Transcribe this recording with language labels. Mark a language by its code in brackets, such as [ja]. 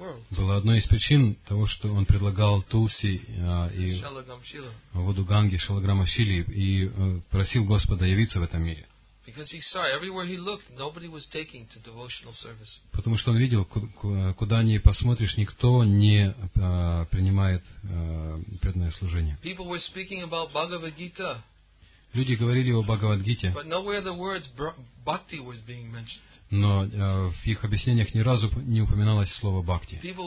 [ru] было одной из причин того, что он предлагал Тулси и воду Ганги, Шалаграма Шили, и просил Господа явиться в этом мире. Потому что он видел, куда ни посмотришь, никто не принимает преданное служение. [en] People were speaking about Bhagavad Gita. [ru] Люди говорили о Бхагавад-гите. [en] But nowhere the words bhakti was being mentioned. [ru] Но в их объяснениях ни разу не упоминалось слово бхакти.